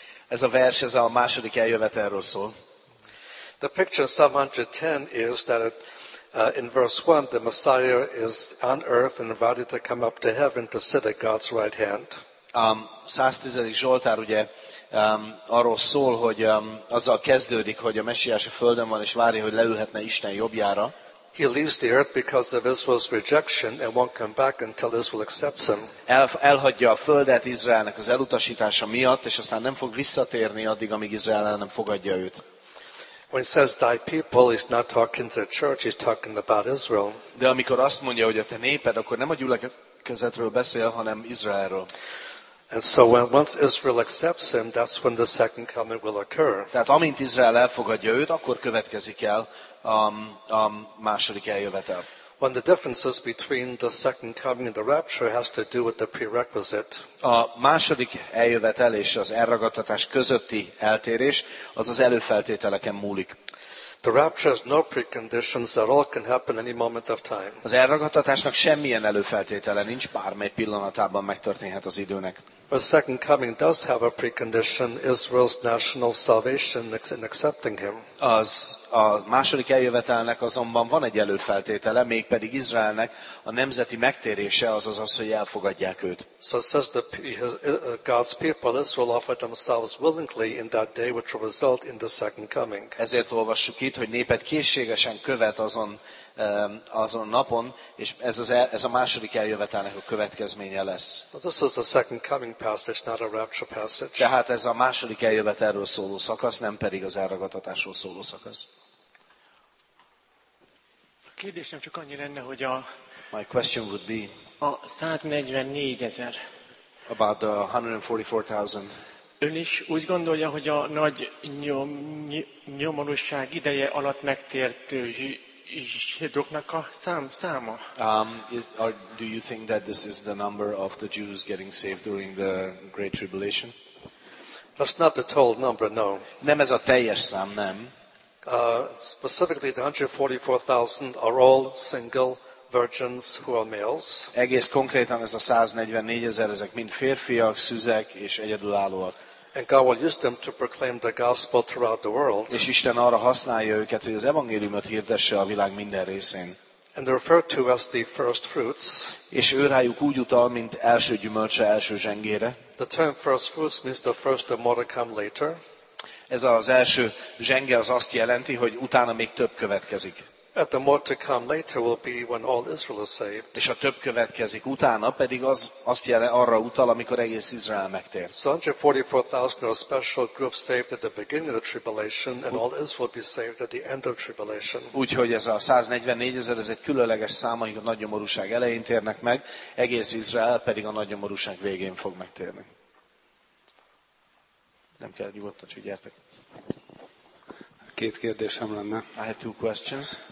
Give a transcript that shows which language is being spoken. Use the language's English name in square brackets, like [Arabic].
[Hungarian] ez a vers, ez a második eljövetelről szól. [English] The picture in Psalm 110 is that in verse 1 the Messiah is on earth and invited to come up to heaven to sit at God's right hand. [Hungarian] 110. Zsoltár ugye arról szól, hogy azzal kezdődik, hogy a Messiás a Földön van és várja, hogy leülhetne Isten jobbjára. [English] He leaves the earth because of Israel's rejection and won't come back until Israel accepts him. [Hungarian] Elhagyja a földet Izraelnek az elutasítása miatt, és aztán nem fog visszatérni addig, amíg Izrael nem fogadja őt. [English] When he says thy people, he's not talking to the church, he's talking about Israel. [Hungarian] De amikor azt mondja, hogy a te néped, akkor nem a gyülekezetről beszél, hanem Izraelről. [English] And so when once Israel accepts him, that's when the second coming will occur. [Hungarian] Tehát amint Izrael elfogadja őt, akkor következik el a második eljövetel. [English] When the differences between the second coming and the rapture has to do with the prerequisite. [Hungarian] A második eljövetel és az elragadtatás közötti eltérés az az előfeltételeken múlik. [English] The rapture has no preconditions at all, can happen any moment of time. [Hungarian] Az elragadtatásnak semmilyen előfeltétele nincs, bármely pillanatában megtörténhet az időnek. [English] But the second coming does have a precondition, Israel's national salvation and accepting him. [Hungarian] Az a második eljövetelnek azonban van egy előfeltétele, mégpedig Izraelnek a nemzeti megtérése, azaz az, hogy elfogadják őt. [English] So it says God's people, Israel, offered themselves willingly in that day which will result in the second coming. [Hungarian] Ezért olvassuk itt, hogy néped készségesen követ azon napon, és ez a második eljövetelnek a következménye lesz. [English] This is a second coming passage, not a rapture passage. [Hungarian] Tehát ez a második eljövetelről szóló szakasz, nem pedig az elragadtatásról szóló szakasz. A kérdésem csak annyi lenne, hogy a [English] my question would be [Hungarian] a 144,000 [English] about the 144,000. [Hungarian] Ön is úgy gondolja, hogy a nagy nyomorúság ideje alatt megtért zsidóknak a száma? [English] Do you think that this is the number of the Jews getting saved during the Great Tribulation? That's not the total number, no. [Hungarian] Nem ez a teljes szám, nem. [English] Specifically, the 144,000 are all single virgins who are males. [Hungarian] Egész konkrétan ez a 144,000, ezek mind férfiak, szüzek és egyedülállóak. [English] And God will use them to proclaim the gospel throughout the world. [Hungarian] És Isten arra használja őket, hogy az evangéliumot hirdesse a világ minden részén. [English] And they're referred to as the first fruits. [Hungarian] És ő rájuk úgy utal, mint első gyümölcse, első zsengére. [English] The term first fruits means the first that more to come later. [Hungarian] ez az első zsenge az azt jelenti, hogy utána még több következik. [English] At the more to come later will be when all Israel is saved. [Hungarian] És a több következik utána pedig az azt jelen arra utal, amikor egész Izrael megtér. [English] So 144,000 are a special group saved at the beginning of the tribulation, and all Israel will be saved at the end of tribulation. [Hungarian] Úgyhogy ez a 144,000 ez egy különleges szám, amik a nagy nyomorúság elején térnek meg, egész Izrael pedig a nagy nyomorúság végén fog megtérni. Nem kell nyugodtan, csak gyertek. Két kérdésem lenne. [English] I have two questions.